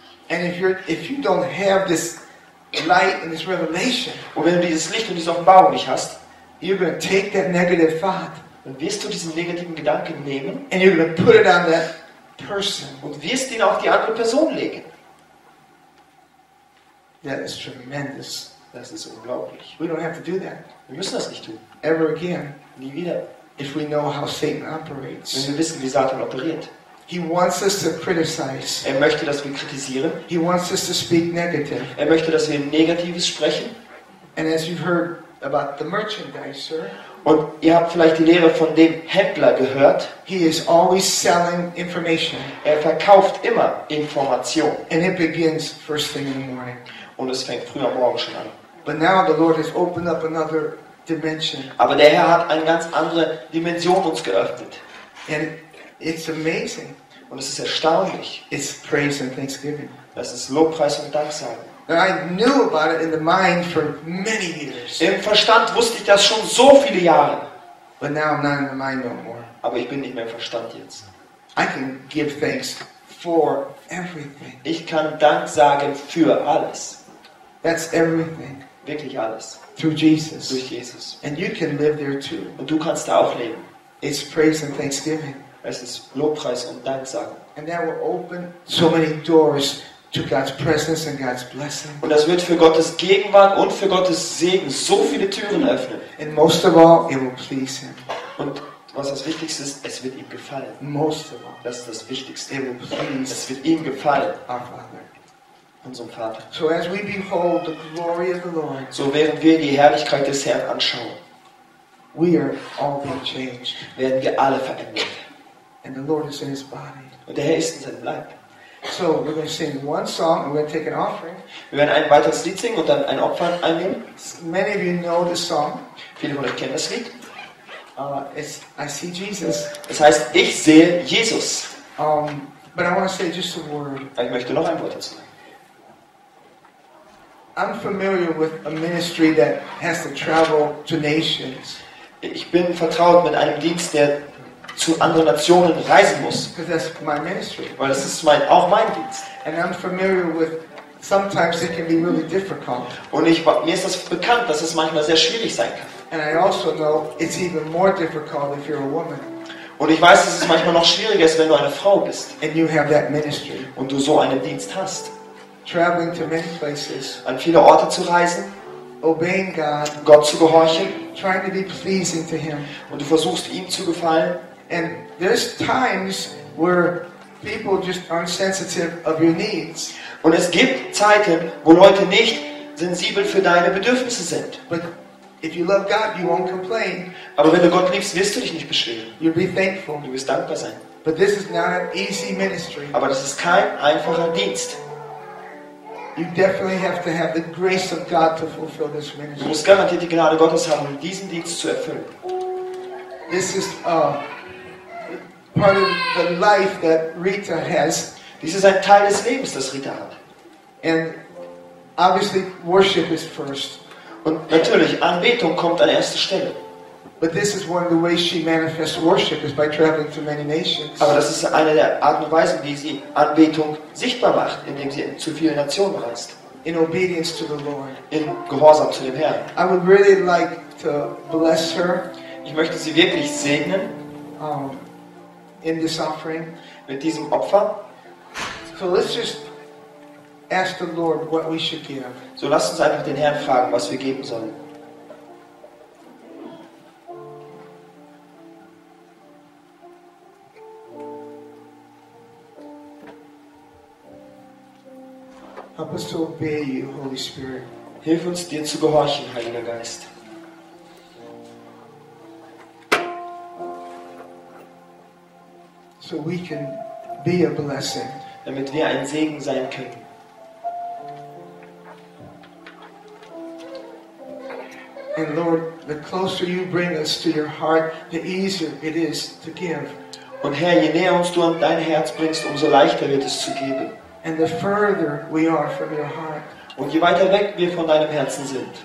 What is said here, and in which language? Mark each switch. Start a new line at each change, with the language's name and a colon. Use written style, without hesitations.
English: And if you don't have this light and this revelation,
German: und wenn du dieses Licht und diese Offenbarung nicht hast,
English: you're going to take that negative thought,
German: dann wirst du diesen negativen Gedanken nehmen,
English: and you're going to put it on that person,
German: und wirst ihn auf die andere Person legen.
English: That is tremendous.
German: Das ist unglaublich.
English: We don't have to do that.
German: Wir müssen das nicht tun.
English: Ever again.
German: Nie wieder.
English: If we know how Satan operates.
German: Wenn wir wissen, wie Satan operiert.
English: He wants us to criticize.
German: Er möchte, dass wir kritisieren.
English: He wants us to speak negative.
German: Er möchte, dass wir Negatives sprechen.
English: And as you've heard about the merchandiser.
German: Und ihr habt vielleicht die Lehre von dem Händler gehört.
English: He is always selling information.
German: Er verkauft immer Information.
English: And it begins first thing in the morning.
German: Und es fängt früh am Morgen schon an.
English: But now the Lord has opened up another dimension.
German: Aber der Herr hat eine ganz andere Dimension uns geöffnet.
English: And it's amazing.
German: Und es ist erstaunlich.
English: It's praise and thanksgiving.
German: Das ist Lobpreis und Danksagen.
English: I knew about it in the mind for many years.
German: Im Verstand wusste ich das schon so viele Jahre.
English: But now I'm not in the mind no more.
German: Aber ich bin nicht mehr im Verstand jetzt.
English: I can give thanks for everything.
German: Ich kann Dank sagen für alles.
English: That's everything.
German: Wirklich alles.
English: Through Jesus.
German: Durch Jesus.
English: And you can live there too.
German: Und du kannst da auch leben.
English: It's praise and thanksgiving.
German: Es ist Lobpreis und Danksagen.
English: And that will open so many doors to God's presence and God's blessing.
German: Und das wird für Gottes Gegenwart und für Gottes Segen so viele Türen öffnen.
English: And most of all, it will please Him.
German: Und was das Wichtigste ist, es wird ihm gefallen.
English: Most of all,
German: das ist das Wichtigste.
English: It will please.
German: Es wird ihm gefallen.
English: Our Father,
German: unserem Vater.
English: So as we behold the glory of the Lord,
German: so während wir die Herrlichkeit des Herrn anschauen,
English: we are all being changed.
German: Werden wir alle verändert.
English: And the Lord is in His body.
German: Und der Herr ist in seinem Leib.
English: So we're going to sing one song and we're going to take an offering.
German: Wir werden ein weiteres Lied singen und dann ein Opfer annehmen.
English: Many of you know the song.
German: Viele von euch kennen das Lied.
English: It's I See Jesus.
German: Das heißt, ich sehe Jesus.
English: But I want to say just a word.
German: Ich möchte noch ein Wort dazu sagen.
English: I'm familiar with a ministry that has to travel to nations.
German: Ich bin vertraut mit einem Dienst, der zu anderen Nationen reisen muss.
English: That's my ministry.
German: Weil das ist mein, auch mein Dienst.
English: And I'm familiar with, sometimes it can be really difficult.
German: Und mir ist das bekannt, dass es manchmal sehr schwierig sein kann.
English: And I also know it's even more difficult if you're a woman.
German: Und ich weiß, dass es manchmal noch schwieriger ist, wenn du eine Frau bist.
English: And you have that ministry.
German: Und du so einen Dienst hast.
English: Traveling to many places.
German: An viele Orte zu reisen.
English: Obeying God.
German: Gott zu gehorchen.
English: Trying to be pleasing to Him.
German: Und du versuchst, ihm zu gefallen.
English: And there's times where people just aren't sensitive of your needs.
German: Und es gibt Zeiten, wo Leute nicht sensibel für deine Bedürfnisse sind.
English: But if you love God, you won't complain.
German: Aber wenn du Gott liebst, wirst du dich nicht beschweren.
English: You'll be thankful.
German: Du wirst dankbar sein.
English: But this is not an easy ministry.
German: Aber das ist kein einfacher Dienst.
English: You definitely have to have the grace of God to fulfill this ministry.
German: Du musst garantiert die Gnade Gottes haben, um diesen Dienst zu erfüllen.
English: This is part of the life that Rita has.
German: Dies ist ein Teil des Lebens, das Rita hat.
English: And obviously, worship is first.
German: Und natürlich, Anbetung kommt an erste Stelle.
English: But this is one of the ways she manifests worship, is by traveling to many nations.
German: Aber das ist eine der Arten und Weisen, wie sie Anbetung sichtbar macht, indem sie zu vielen Nationen reist.
English: In obedience to the Lord.
German: In Gehorsam zu dem Herrn.
English: I would really like to bless her.
German: Ich möchte sie wirklich segnen.
English: In this offering.
German: Mit diesem Opfer.
English: So let's just ask the Lord what we should give.
German: So lasst uns einfach den Herrn fragen, was wir geben sollen.
English: Help us to obey you, Holy Spirit.
German: Hilf uns, dir zu gehorchen, Heiliger Geist.
English: So we can be a blessing.
German: Damit wir ein Segen sein können.
English: And Lord, the closer you bring us to your heart, the easier it is to give.
German: Und Herr, je näher uns du an dein Herz bringst, umso leichter wird es zu geben.
English: And the further we are from your heart,
German: und je weiter weg wir von deinem Herzen sind,